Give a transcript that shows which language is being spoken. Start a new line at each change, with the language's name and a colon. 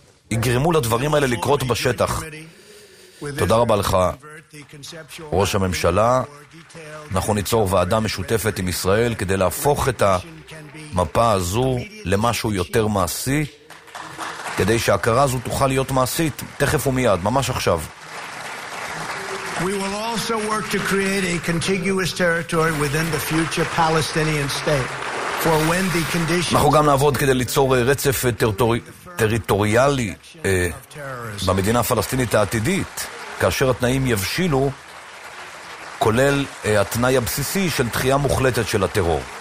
Hebrew: יגרמו לדברים האלה לקרות בשטח. תודה רבה לך, ראש הממשלה. אנחנו ניצור ועדה משותפת עם ישראל כדי להפוך את המפה הזו למשהו יותר מעשי, כדי שההכרה הזו תוכל להיות מעשית, תכף ומיד, ממש עכשיו.
English: We will also work to create a contiguous territory within the future Palestinian state. For when the conditions...
Hebrew: אנחנו גם נעבוד כדי ליצור רצף טריטוריאלי במדינה הפלסטינית העתידית, כאשר התנאים יבשילו, כולל התנאי הבסיסי של דחייה מוחלטת של הטרור.